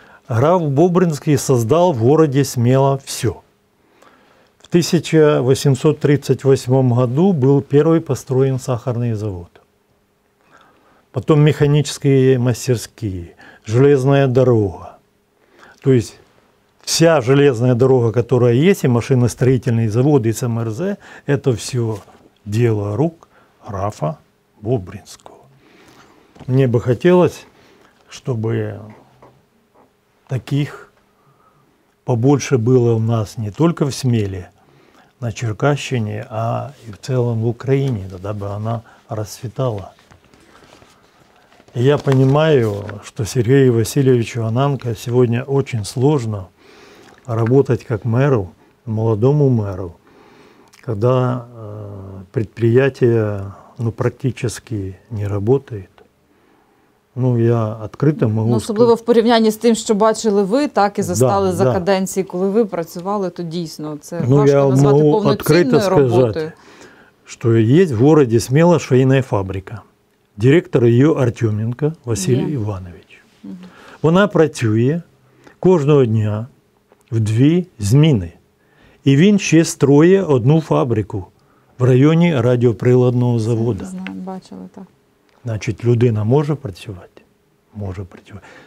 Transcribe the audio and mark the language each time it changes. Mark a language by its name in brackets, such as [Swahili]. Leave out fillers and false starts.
[Ukrainian] Граф Бобринський создав в городі Сміла все. В 1838 году був перший построєн сахарний завод. Потім механічні мастерські, железна дорога. [Russian] То есть вся железная дорога, которая есть, и машиностроительные заводы, и СМРЗ, это все дело рук графа Бобринского. Мне бы хотелось, чтобы таких побольше было у нас не только в Смеле, на Черкащине, а и в целом в Украине, тогда бы она расцветала. Я понимаю, что Сергею Васильевичу Ананко сегодня очень сложно работать как мэру, молодому мэру, когда предприятие практически не работает. Я открыто могу сказать. [Ukrainian] Особливо в порівнянні з тим, що бачили ви, так і застали за каденції, коли ви працювали, то дійсно це важко назвати повноцінною роботою. Сказати, що є в городі Сміла швейна фабрика. [Russian] Директор ее Артеменко Василий Иванович. Угу. [Ukrainian] Она працює каждого дня в дві зміни. И він ще строє одну фабрику в районі радіоприладного завода. Знаю, бачили, так. Значить, людина може працювати? Може працювати.